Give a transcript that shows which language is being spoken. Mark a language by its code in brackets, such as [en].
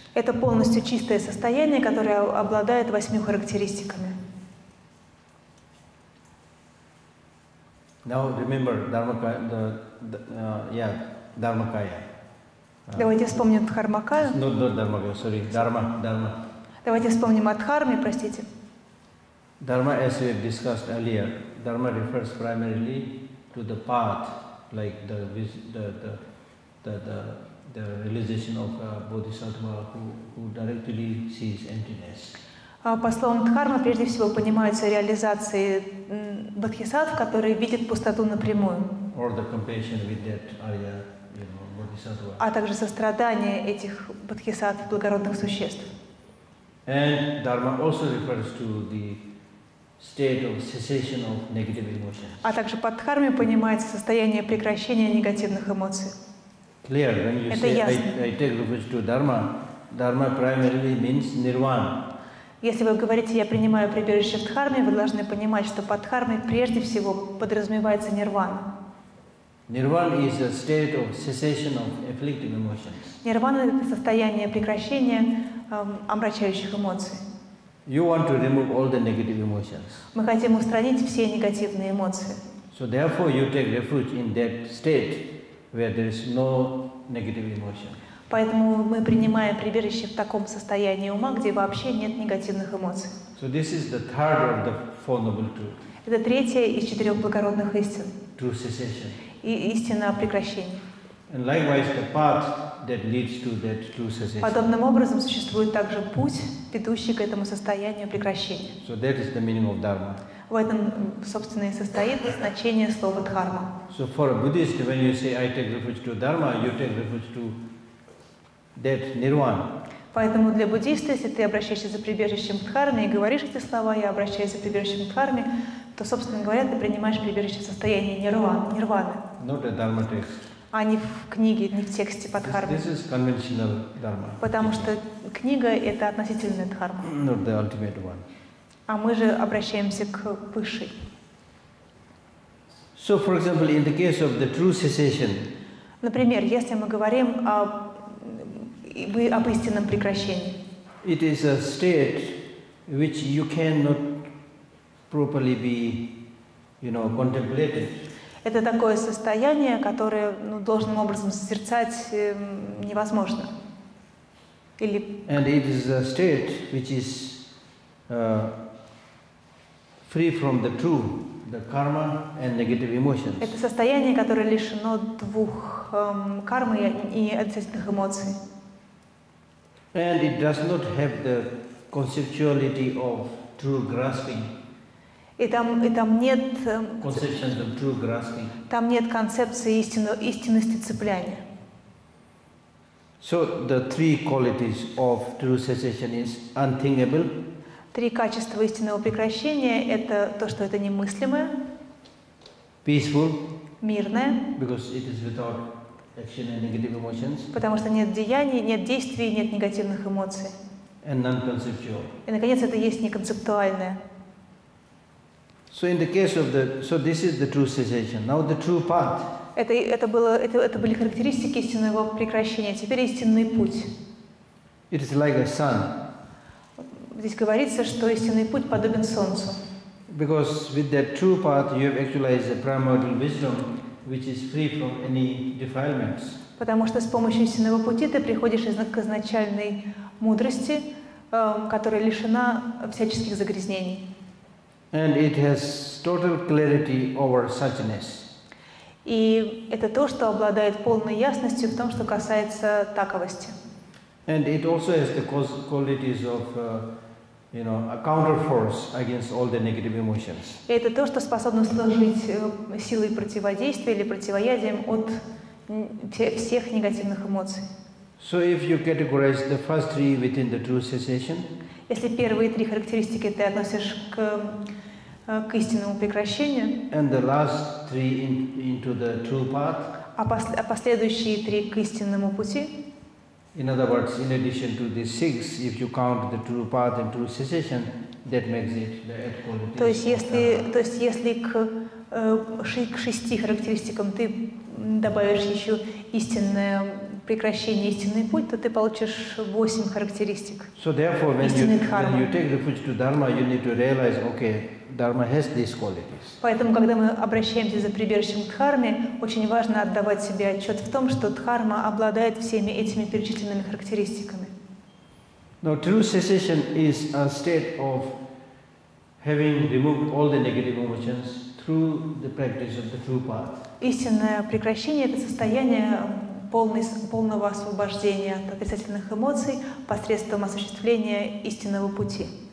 [ru] Это полностью чистое состояние, которое обладает восьми характеристиками. [en] Now remember Dharmakaya. Dharmakaya. [ru] Давайте вспомним Дхармакаю. [en] Not Dharmakaya, sorry. Dharma. [ru] Давайте вспомним о Дхарме, простите. [en] Dharma, as we have discussed earlier, Dharma refers primarily to the path, like the realization of a bodhisattva who directly sees emptiness. [ru] По словам Дхармы, прежде всего понимается реализацией бодхисаттв, который видит пустоту напрямую. [en] Or the compassion with that arya, you know, bodhisattva. [ru] А также сострадание этих бодхисаттв, благородных существ. [en] And Dharma also refers to the state of cessation of negative emotions. [ru] А также под Дхармой понимается состояние прекращения негативных эмоций. [en] Clear. When you [ru] это [en] say I take refuge to Dharma, Dharma primarily means Nirvana. [ru] Если вы говорите, я принимаю прибежище в Дхарме, вы должны понимать, что под Дхармой прежде всего подразумевается Нирвана. [en] Nirvana is a state of cessation of afflicting emotions. [ru] Нирвана — это состояние прекращения омрачающих эмоций. [en] You want to remove all the negative emotions. [ru] Мы хотим устранить все негативные эмоции. [en] So therefore you take refuge in that state where there is no negative emotion. [ru] Поэтому мы принимаем прибежище в таком состоянии ума, где вообще нет негативных эмоций. [en] So this is the third of the four noble truths. [ru] Это третья из четырех благородных истин. [en] True cessation. [ru] И истина о прекращении. [en] And likewise the path that leads to that true cessation. [ru] Подобным образом существует также путь, ведущий к этому состоянию прекращения. [en] So that is the meaning of dharma. [ru] В этом, собственно, и состоит значение слова дхарма. [en] So for a Buddhist, when you say I take refuge to dharma, you take refuge to that nirvana. [ru] Поэтому для буддиста, если ты обращаешься за прибежищем к дхарме и говоришь эти слова, я обращаюсь за прибежищем к дхарме, то, собственно говоря, ты принимаешь прибежище в состоянии нирваны. [en] Not a dharma text. [ru] А не в книге, не в тексте по дхарме. [en] This is conventional dharma. [ru] Потому что книга — это относительная дхарма. [en] Not the ultimate one. [ru] А мы же обращаемся к высшей. [en] So, for example, in the case of the true cessation. [ru] Например, если мы говорим об истинном прекращении. [en] It is a state which you cannot properly be, you know, contemplated. [ru] Это такое состояние, которое, ну, должным образом созерцать невозможно. Или... [en] And it is a state which is free from the true, the karma and negative emotions. [ru] Это состояние, которое лишено двух кармы и отрицательных эмоций. [en] And it does not have the conceptuality of true grasping. [ru] И там нет [en] conception of true grasping. [ru] Там нет концепции истинности цепляния. [en] So the three qualities of true cessation is unthinkable. [ru] Три качества истинного прекращения — это то, что это немыслимое. [en] Peaceful. [ru] Мирное. [en] Because it is without action and negative emotions. [ru] Потому что нет деяний, нет действий, нет негативных эмоций. [en] And non-conceptual. [ru] И, наконец, это есть неконцептуальное. [en] So in the case of the, so this is the true cessation. Now the true path. [ru] Это были характеристики истинного прекращения. Теперь истинный путь. [en] It is like a sun. [ru] Здесь говорится, что истинный путь подобен солнцу. [en] Because with that true path you have actualized the primordial wisdom, which is free from any defilements. [ru] Потому что с помощью истинного пути ты приходишь к изначальной мудрости, которая лишена всяческих загрязнений. [en] And it has total clarity over suchness. [ru] И это то, что обладает полной ясностью в том, что касается таковости. [en] And it also has the qualities of you know, a counterforce against all the negative emotions. [ru] Это то, что способно служить силой противодействия или противоядием от всех негативных эмоций. [en] So if you categorize the first three within the true cessation, [ru] если первые три характеристики ты относишь к истинному прекращению, [en] and the last three into the true path, [ru] а последующие три к истинному пути. [en] In other words, in addition to the six, if you count the true path and true cessation, that makes it the eighth quality. [ru] То есть если к шести характеристикам ты добавишь еще истинное прекращение, истинный путь, то ты получишь восемь характеристик. [en] So therefore, when you take refuge to dharma, you need to realize, okay, dharma has these qualities. [ru] Поэтому, когда мы обращаемся за прибежищем к дхарме, очень важно отдавать себе отчет в том, что дхарма обладает всеми этими перечисленными характеристиками. [en] Now, true cessation is a state of having removed all the negative emotions through the practice of the true path. [ru] Истинное прекращение — это состояние полного освобождения от отрицательных эмоций посредством осуществления истинного пути.